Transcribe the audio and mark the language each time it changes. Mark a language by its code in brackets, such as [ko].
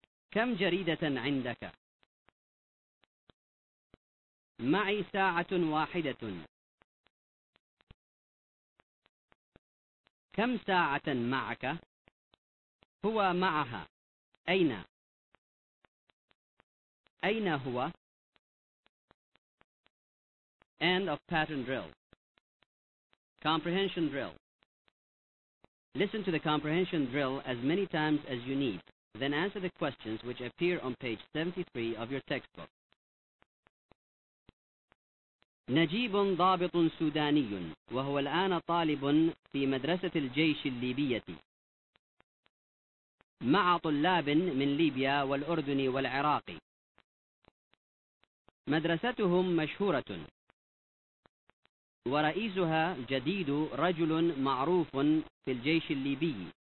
[ar] كم جريدة عندك؟ معي ساعة واحدة، كم ساعة معك؟ هو معها، أين؟ أين هو؟ [en] End of pattern drill. Comprehension drill. Listen to the comprehension drill as many times as you need, then answer the questions which appear on page 73 of your textbook. [ar] نجيب ضابط سوداني وهو الآن طالب في مدرسة الجيش الليبية مع طلاب من ليبيا والأردن والعراق. مدرستهم مشهورة ورئيسها جديد رجل معروف في الجيش الليبي.